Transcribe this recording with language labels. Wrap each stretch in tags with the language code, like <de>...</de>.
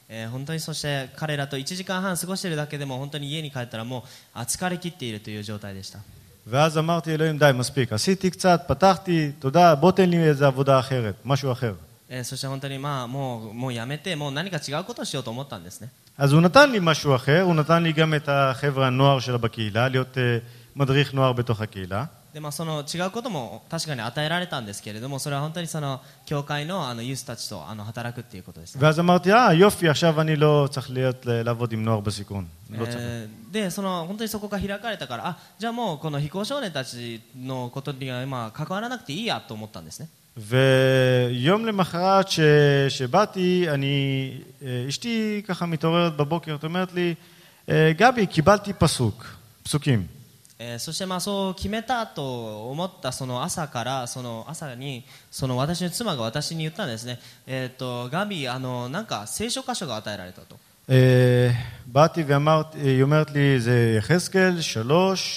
<ja>本当にそして彼らと1時間半過ごしているだけでも本当に家に帰ったらもう疲れ切っているという状態でした。</ja> <he>ואז אמרתי אלוהים די מספיק. עשיתי קצת, פתחתי, תודה, בוא תן לי איזה עבודה אחרת, משהו אחר.</he> <ja>そして本当にまあもうやめてもう何か違うことをしようと思ったんですね。</ja> <he>אז הוא נתן לי משהו אחר, הוא נתן לי גם את החברה הנוער שלה בקהילה, להיות מדריך נוער בתוך הקהילה.</he> <ja>でまあその違うことも確かに与えられたんですけれどもそれは本当にその教会のあのユースたちとあの働くっていうことですね。</ja> <he>ואז אמרתי, אה, יופי, עכשיו אני לא צריך להיות לעבוד עם נוער בסיכון.</he> <ja>でその本当にそこが開かれたから、あ、じゃあもうこの非行少年たちのことには今関わらなくていいやと思ったんですね。</ja> <he>ויום למחרת שבאתי, אני, אשתי ככה מתעוררת בבוקר, את אומרת לי, גבי, קיבלתי פסוק, פסוקים.</he> <ja>そしてまあそう決めたと思ったその朝からその朝にその私の妻が私に言ったんですね。ガビあのなんか聖書箇所が与えられたと。バーティーがまって言われてゼエゼキエル3章。</ja>